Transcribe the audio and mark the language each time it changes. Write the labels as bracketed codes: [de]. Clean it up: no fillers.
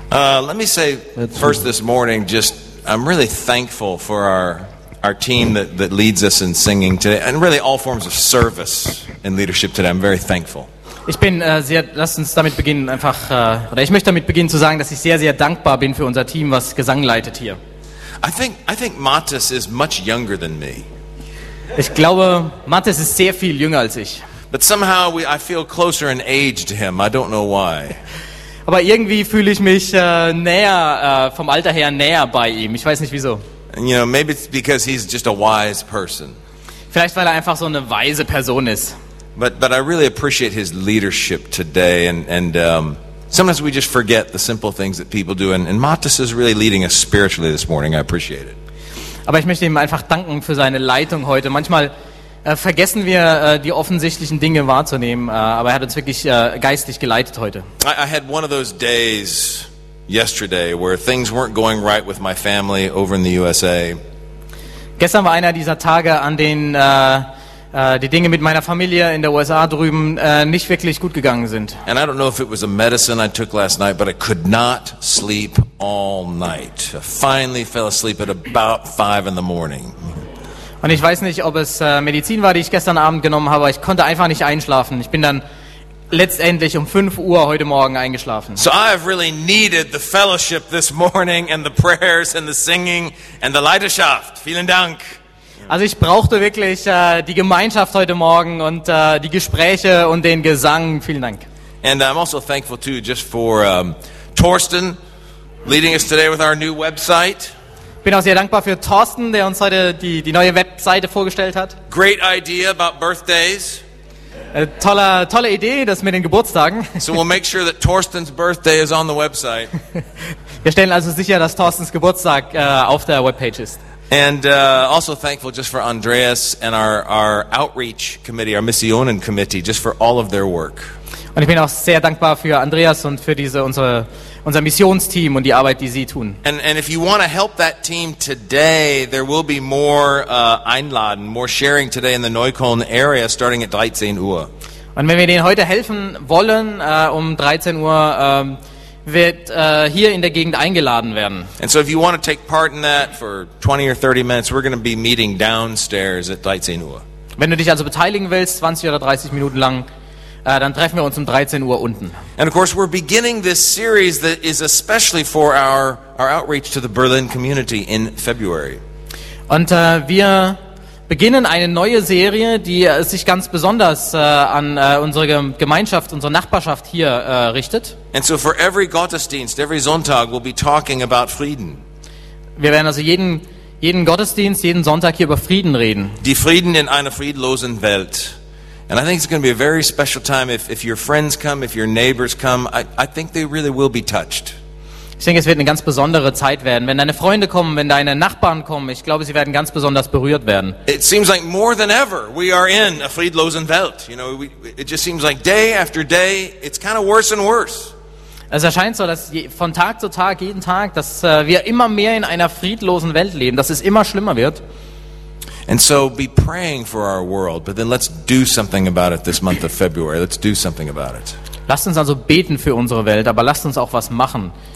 [en] Let me say first this morning, just I'm really thankful for our team that leads us in singing today, and really all forms of service and leadership today. I'm very thankful. [de] Ich bin sehr, lass uns damit beginnen, einfach, oder ich möchte damit beginnen zu sagen, dass ich sehr, sehr dankbar bin für unser Team, was Gesang leitet hier. [en] I think Mattis is much younger than me. [de] Ich glaube, Mattis ist sehr viel jünger als ich. [en] But somehow I feel closer in age to him, I don't know why. [de] Aber irgendwie fühle ich mich näher, vom Alter her näher bei ihm, ich weiß nicht wieso. [en] You know, maybe it's because he's just a wise person. [de] Vielleicht, weil er einfach so eine weise Person ist. [en] But I really appreciate his leadership today, and sometimes we just forget the simple things that people do, and Mattis is really leading us spiritually this morning. I appreciate it. [de] Aber ich möchte ihm einfach danken für seine Leitung heute. Manchmal vergessen wir die offensichtlichen Dinge wahrzunehmen, aber er hat uns wirklich geistig geleitet heute. [en] I had one of those days yesterday where things weren't going right with my family over in the USA. [de] Gestern war einer dieser Tage, an denen die Dinge mit meiner Familie in der USA drüben nicht wirklich gut gegangen sind. [en] And I don't know if it was a medicine I took last night, but I could not sleep all night. I finally fell asleep at about 5 in the morning. [de] Und ich weiß nicht, ob es Medizin war, die ich gestern Abend genommen habe, aber ich konnte einfach nicht einschlafen. Ich bin dann letztendlich um 5 Uhr heute Morgen eingeschlafen. [en] So I have really needed the fellowship this morning and the prayers and the singing and the Leiterschaft. [de] Vielen Dank. Also ich brauchte wirklich die Gemeinschaft heute Morgen und die Gespräche und den Gesang. Vielen Dank. [en] And I'm also thankful too just for Thorsten leading us today with our new website. [de] Bin auch sehr dankbar für Thorsten, der uns heute die neue Webseite vorgestellt hat. [en] Great idea about birthdays. [de] Tolle Idee, das mit den Geburtstagen. [en] So we'll make sure that Thorsten's birthday is on the website. [de] Wir stellen also sicher, dass Thorstens Geburtstag auf der Webpage ist. [en] And also thankful just for Andreas and our outreach committee, our Missionen committee, just for all of their work. [de] Und ich bin auch sehr dankbar für Andreas und für unser Missionsteam und die Arbeit, die sie tun. [en] And if you want to help that team today, there will be more einladen, more sharing today in the Neukölln area starting at 13 Uhr. [de] Und wenn wir denen heute helfen wollen, um 13 Uhr, wird hier in der Gegend eingeladen werden. [en] And so if you want to take part in that for 20 or 30 minutes, we're going to be meeting downstairs at 13 Uhr. [de] Wenn du dich also beteiligen willst, 20 oder 30 Minuten lang, dann treffen wir uns um 13 Uhr unten. [en] And of course we're beginning this series that is especially for our outreach to the Berlin community in February. [de] Und wir beginnen eine neue Serie, die sich ganz besonders an unsere Gemeinschaft, unsere Nachbarschaft hier richtet. [en] And so for every Gottesdienst, every Sonntag, we'll be talking about Frieden. [de] Wir werden also jeden Gottesdienst, jeden Sonntag hier über Frieden reden. Die Frieden in einer friedlosen Welt. [en] And I think it's going to be a very special time if your friends come, if your neighbors come. I think they really will be touched. [de] Ich denke, es wird eine ganz besondere Zeit werden. Wenn deine Freunde kommen, wenn deine Nachbarn kommen, ich glaube, sie werden ganz besonders berührt werden. [en] It seems like more than ever we are in a [de] friedlosen Welt. [en] You know, it just seems like day after day, it's kind of worse and worse. [de] Es erscheint so, dass von Tag zu Tag, jeden Tag, dass wir immer mehr in einer friedlosen Welt leben, dass es immer schlimmer wird. [en] And so be praying for our world, but then let's do something about it this month of February. Let's do something about it. [de] Lasst uns also beten für unsere Welt, aber lasst uns auch was machen.